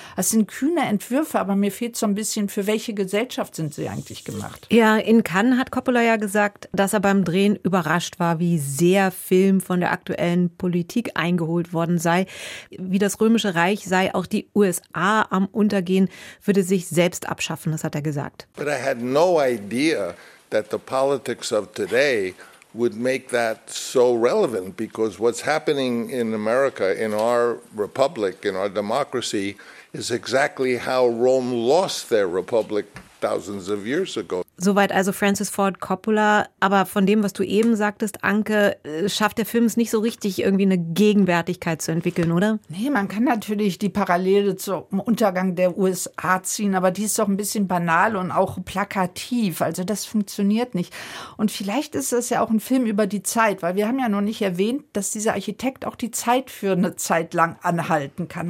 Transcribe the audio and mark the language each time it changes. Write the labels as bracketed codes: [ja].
[de] Das sind kühne Entwürfe, aber mir fehlt so ein bisschen, für welche Gesellschaft sind sie eigentlich gemacht? Ja, in Cannes hat Coppola ja gesagt, dass er beim Drehen überrascht war, wie sehr Film von der aktuellen Politik eingeholt worden sei. Wie das Römische Reich sei, auch die USA am Untergehen, würde sich selbst abschaffen, das hat er gesagt. [en] But I had no idea that the politics of today would make that so relevant, because what's happening in America, in our republic, in our democracy, is exactly how Rome lost their republic thousands of years ago. [de] Soweit also Francis Ford Coppola. Aber von dem, was du eben sagtest, Anke, schafft der Film es nicht so richtig, irgendwie eine Gegenwärtigkeit zu entwickeln, oder? Nee, man kann natürlich die Parallele zum Untergang der USA ziehen, aber die ist doch ein bisschen banal und auch plakativ. Also das funktioniert nicht. Und vielleicht ist das ja auch ein Film über die Zeit, weil wir haben ja noch nicht erwähnt, dass dieser Architekt auch die Zeit für eine Zeit lang anhalten kann.